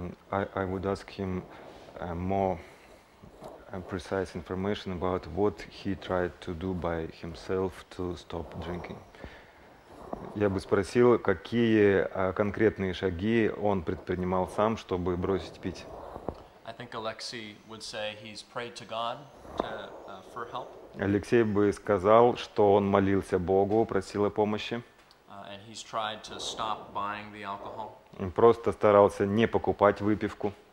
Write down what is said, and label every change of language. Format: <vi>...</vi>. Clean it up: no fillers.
<en>I would ask him more precise information about what he tried to do by himself to stop drinking.</en> <ru>Я бы спросил, какие конкретные шаги он предпринимал сам, чтобы бросить пить. Алексей бы сказал, что он молился Богу, просил о помощи.</ru> <en>And he's tried to stop buying the alcohol.</en> <ru>Он просто старался не покупать выпивку.</ru>